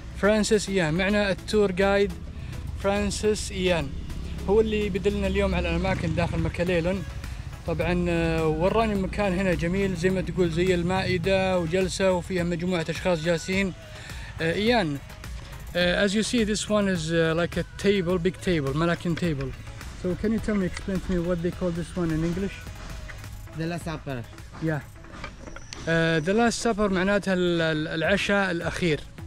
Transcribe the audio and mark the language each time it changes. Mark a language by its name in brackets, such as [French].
[Arabic] فرانسيس إيان معنا التور جايد فرانسيس إيان، هو اللي بدلنا اليوم على الأماكن داخل مكة ليلون. طبعا وراني المكان هنا جميل زي ما تقول زي المائدة وجلسة وفيها مجموعة أشخاص جالسين. [English] إيان as you see this one is like a table, big table, Malacan table. So can you tell me, explain to me what they call this one in English? The last supper. Yeah. The last supper [Arabic] معناتها العشاء الأخير.